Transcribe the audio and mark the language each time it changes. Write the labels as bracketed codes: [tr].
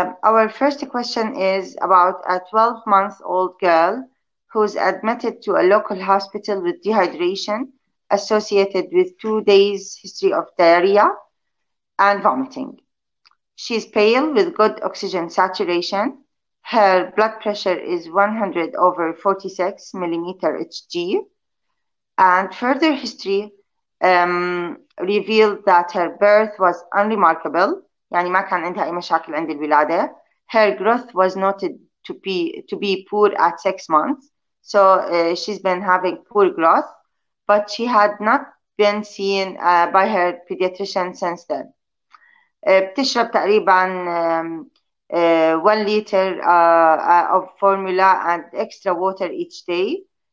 [en] Our first question is about a 12 month old girl who's admitted to a local hospital with dehydration associated with 2 days history of diarrhea and vomiting. She's pale with good oxygen saturation. Her blood pressure is 100 over 46 millimeter Hg. And further history revealed that her birth was unremarkable. [ar] يعني ما كان عندها أي مشاكل عند الولادة. [en] Her growth was noted to be poor at 6 months. So she's been having poor growth, but she had not been seen by her pediatrician since then. [ar] بتشرب تقريباً [en] 1 liter of formula and extra water each day.